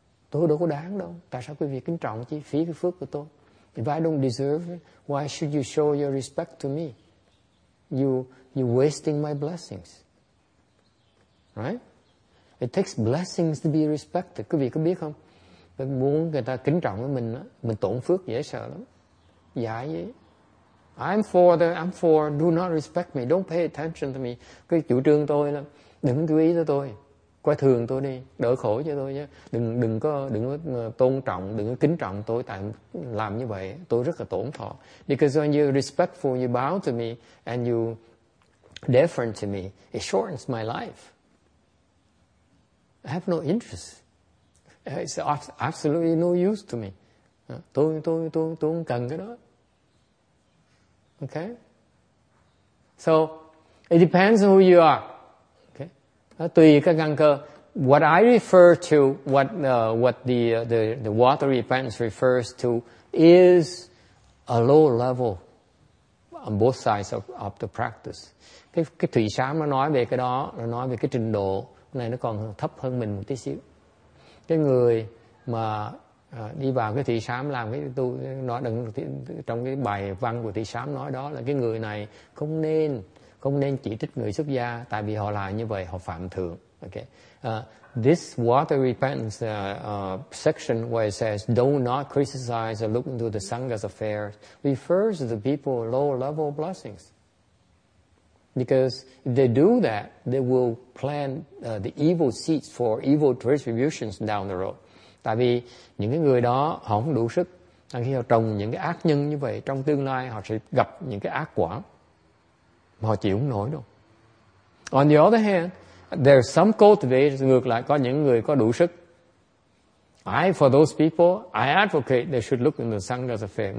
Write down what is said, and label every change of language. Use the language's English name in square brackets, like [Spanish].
[Vietnamese] Tôi đâu có đáng đâu. Tại sao quý vị kính trọng chứ? Phí cái phước của tôi. [English] If I don't deserve it, why should you show your respect to me? You're wasting my blessings. Right? It takes blessings to be respected. [Vietnamese] Quý vị có biết không? Mình muốn người ta kính trọng với mình, mình tổn phước dễ sợ lắm. Dạy vậy. [English] I'm for, do not respect me. Don't pay attention to me. [Vietnamese] Cái chủ trương tôi là đừng chú ý tới tôi. Coi thường tôi đi, đỡ khổ cho tôi nhé. Đừng có tôn trọng, đừng có kính trọng tôi tại làm như vậy. Tôi rất là tổn thọ. [English] Because when you're respectful, you bow to me and you deferent to me, it shortens my life. I have no interest. It's absolutely no use to me. [Vietnamese] Tôi không cần cái đó. Okay? [English] So, it depends on who you are. [Vietnamese] Tùy các căn cơ. [English] What I refer to, what the watery plants refers to, is a low level on both sides of the practice. [Vietnamese] Cái thủy sám nó nói về cái đó, nó nói về cái trình độ này nó còn thấp hơn mình một tí xíu. Cái người mà đi vào cái thủy sám làm cái tu, nói trong cái bài văn của thủy sám nói đó là cái người này không nên chỉ trích người xuất gia, tại vì họ là như vậy, họ phạm thượng. [English] Okay. This water repentance section where it says do not criticize or look into the Sangha's affairs refers to the people with lower level blessings. Because if they do that, they will plant the evil seeds for evil retributions down the road. [Vietnamese] Tại vì những cái người đó họ không đủ sức, khi họ trồng những cái ác nhân như vậy, trong tương lai họ sẽ gặp những cái ác quả. Họ chịu không nổi đâu. [English] On the other hand, there are some cultivators, [Vietnamese] ngược lại có những người có đủ sức. [English] For those people, I advocate they should look into the Sangha's affair.